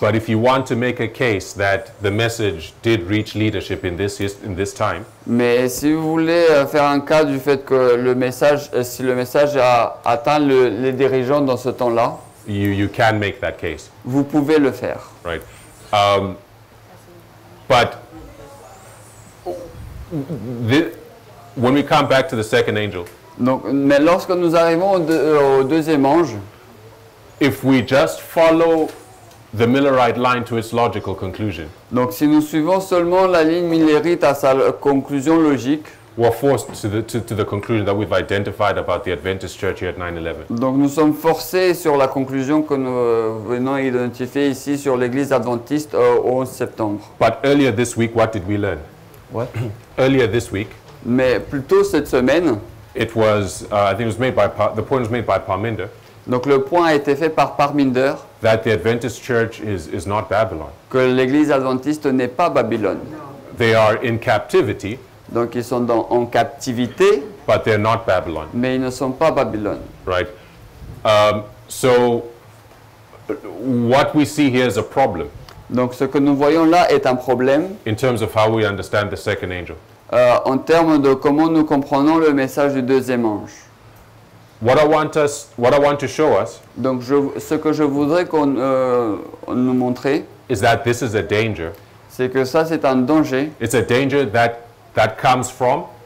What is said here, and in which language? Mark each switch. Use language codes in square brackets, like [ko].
[en] But if you want to make a case that the message did reach leadership in this time. [fr] Mais si vous voulez faire un cas du fait que le message a atteint les dirigeants dans ce temps-là, [en] you can make that case. [fr] Vous pouvez le faire. [en] Right. But when we come back to the second angel. [fr] Donc, mais lorsque nous arrivons au deuxième ange, [en] if we just follow the Millerite line to its logical conclusion, [fr] donc si nous suivons seulement la ligne Millerite à sa conclusion logique, [en] we're forced to the conclusion that we've identified about the Adventist Church here at 9/11. [fr] Donc nous sommes forcés sur la conclusion que nous venons identifier ici sur l'Église adventiste au 11 septembre. [en] But earlier this week, what did we learn? What? Earlier this week. [fr] Mais plutôt cette semaine. [en] It was, I think, it was made by the point was made by Parminder. [fr] Donc le point a été fait par Parminder. [en] That the Adventist Church is not Babylon. [fr] Que l'Église adventiste n'est pas Babylone. [en] They are in captivity. [fr] Donc ils sont en captivité. [en] But they're not Babylon. [fr] Mais ils ne sont pas Babylone. [en] Right. So what we see here is a problem. [fr] Donc ce que nous voyons là est un problème. [en] In terms of how we understand the second angel. [fr] En termes de comment nous comprenons le message du deuxième ange. [en] What I want to show us. [fr] Donc ce que je voudrais qu'on nous montre. [en] Is that this is a danger. [fr] C'est que ça c'est un danger. [en] It's a danger that comes from.